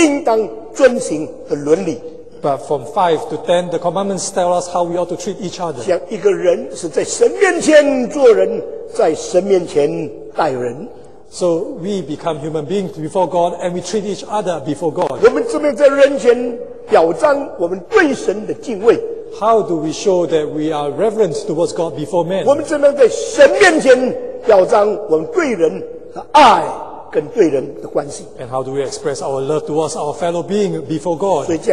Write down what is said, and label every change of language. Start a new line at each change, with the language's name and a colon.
Chinese: 第五到第十是人对人应当遵行的伦理。
English: But from five to ten, the commandments tell us how we ought to treat each other.
Chinese: 像一个人是在神面前做人，在神面前待人。
English: So we become human beings before God, and we treat each other before God.
Chinese: 我们怎么样在人前表彰我们对神的敬畏？
English: How do we show that we are reverent towards God before man?
Chinese: 我们怎么样在神面前表彰我们对人的爱跟对人的关系？
English: And how do we express our love towards our fellow being before God?